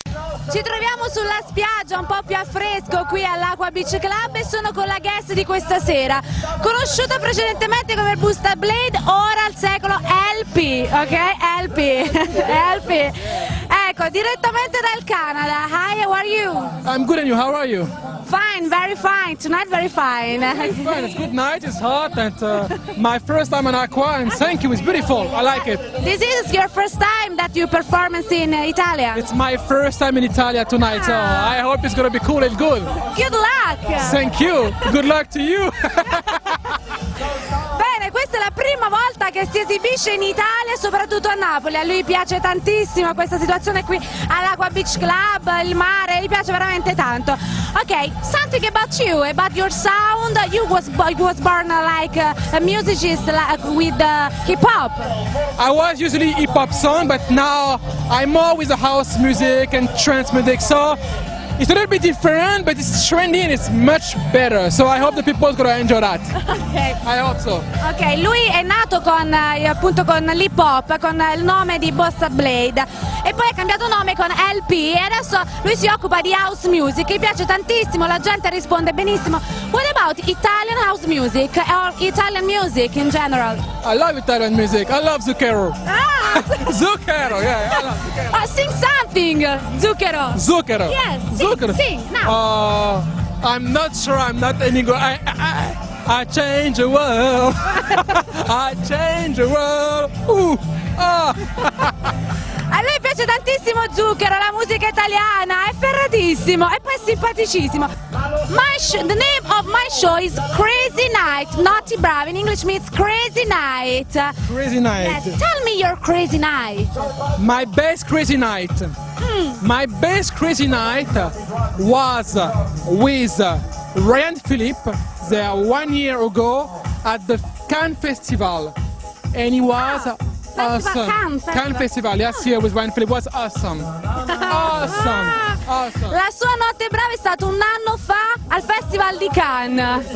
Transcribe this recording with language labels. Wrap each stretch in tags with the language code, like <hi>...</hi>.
<it>Ci troviamo sulla spiaggia un po' più affresco qui all'Aqua Beach Club e sono con la guest di questa sera, conosciuta precedentemente come Busta Blade, ora al secolo LP, ok? LP, LP. Ecco, direttamente dal Canada.</it> <en>Hi, how are you? I'm good and you, how are you? Fine, very fine, tonight very fine. It's good night, it's hot and my first time in Aqua and thank you, it's beautiful, I like it. This is your first time that you perform in Italia? It's my first time in Italia tonight, so I hope it's gonna be cool and good. Good luck! Thank you, good luck to you!</en> <it>Bene, questa è la prima volta che si esibisce in Italia, soprattutto a Napoli. A lui piace tantissimo questa situazione qui all'Aqua Beach Club, il mare, gli piace veramente tanto.</it> <en>Ok, something about you, about your sound. You was born like a musicist, like with hip hop. I was usually hip hop song, but now I'm more with the house music and trance music. So it's a little bit different, but it's trendy and it's much better. So I hope the people are gonna enjoy that. Okay. I hope so.</en> <it>Okay, lui è nato con appunto con l'hip hop, con il nome di Busta Blade. E poi ha cambiato nome con LP e adesso lui si occupa di house music, gli piace tantissimo, la gente risponde benissimo.</it> <en>What about Italian house music or Italian music in general? I love Italian music, I love Zucchero. Ah! Zucchero, yeah, I love Zucchero. Sing something, Zucchero. Zucchero. Yes, Zucchero. Sing, sing, now. I'm not sure, I'm not any good. I change the world, I change the world.</en> <it>A lei piace tantissimo Zucchero, la musica italiana, è ferratissimo e poi è simpaticissimo.</it> <en>The name of my show is Crazy Night, Naughty Bravo, in English means Crazy Night. Crazy Night. Tell me your crazy night. My best crazy night. My best crazy night was with Ryan Philipp there 1 year ago at the Cannes Festival. And he was... Cannes Festival, yes, here with Ryan Philipp, was awesome. Awesome.</en> <it>La sua notte brava è stata un anno fa al Festival di Cannes.</it>